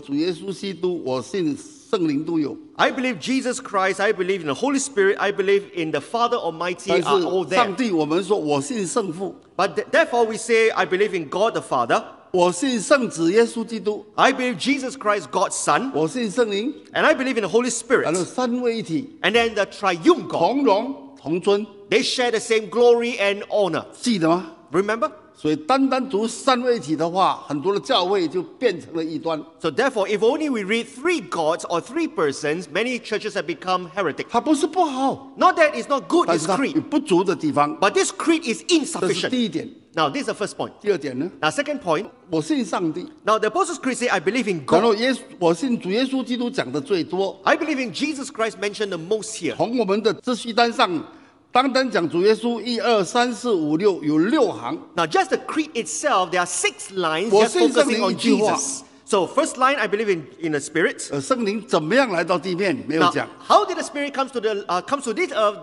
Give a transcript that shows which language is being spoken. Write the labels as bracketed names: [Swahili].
[Chinese] 我信上帝,我信主耶稣基督,我信圣灵都有。 [English] I believe Jesus Christ, I believe in the Holy Spirit, I believe in the Father Almighty are all there. [Chinese] 但是上帝我们说我信圣父, [English] but therefore we say, I believe in God the Father. [Chinese] 我信圣子耶稣基督, [English] I believe Jesus Christ, God's Son. [Chinese] 我信圣灵, [English] and I believe in the Holy Spirit. [Chinese] 然后三位一体, [English] and then the triune God. [Chinese] 同荣同尊, [English] they share the same glory and honor. [Chinese] 记得吗? [English] Remember? [Chinese] 所以单单读三位一体的话, [English] so therefore, if only we read three gods or three persons, many churches have become heretic. [Chinese] 它不是不好, [English] not that it's not good, this creed. But this creed is insufficient. [Chinese] 这是第一点, [English] now, this is the first point. [Chinese] 第二点呢? [English] Now, second point. [Chinese] 我信上帝, [English] now, the Apostles' Creed says, I believe in God. [Chinese] 然后耶稣, 我信主耶稣基督讲的最多, [English] I believe in Jesus Christ mentioned the most here. [Chinese] 从我们的知识单上, 单单讲主耶稣一二三四五六有六行。 [English] Now just the creed itself, there are six lines just focusing on Jesus. So first line, I believe in the Spirit. [Chinese] 圣灵怎么样来到地面?没有讲。 [English] Now, how did the Spirit comes to this earth?